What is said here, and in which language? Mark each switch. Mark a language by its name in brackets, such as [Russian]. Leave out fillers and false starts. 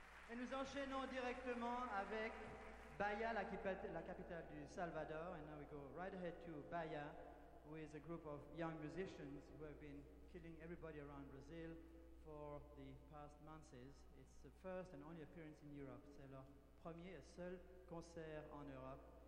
[French] Et nous enchaînons directement avec Bahia, la capitale du Salvador. [English] And now we go right ahead to Bahia, who is a group of young musicians who have been killing everybody around Brazil for the past months. It's the first and only appearance in Europe. [French] C'est leur premier et seul concert en Europe.